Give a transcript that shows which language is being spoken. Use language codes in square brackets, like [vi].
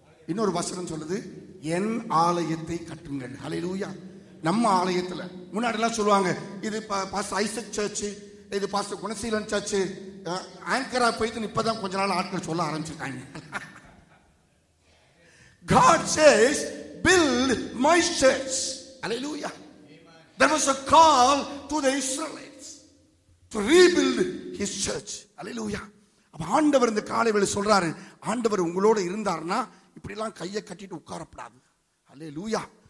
[ta] இன்னொரு வசனம் சொல்லுது, என் ஆலயத்தை கட்டுங்கள். ஹல்லேலூயா. நம்ம ஆலயத்தில் முன்னாடிலாம் சொல்லுவாங்க, இது பாஸ்டர் ஐசக் சர்ச்சு, இது பாஸ்டர் குணசீலன் சர்ச்சு, ஆங்கரா போயிட்டு இப்பதான் கொஞ்ச நாள் ஆட்கள் சொல்ல ஆரம்பிச்சிருக்காங்க. [en] God says, build build my church. Hallelujah. Amen. There was a call to the Israelites to rebuild his church. Hallelujah. [ta] அப்ப ஆண்டவர் இந்த காலை வேலை சொல்றாரு, ஆண்டவர் உங்களோட இருந்தார்னா இப்படி எல்லாம் கையை கட்டிட்டு உட்காரப்படாது. ஹல்லேலூயா.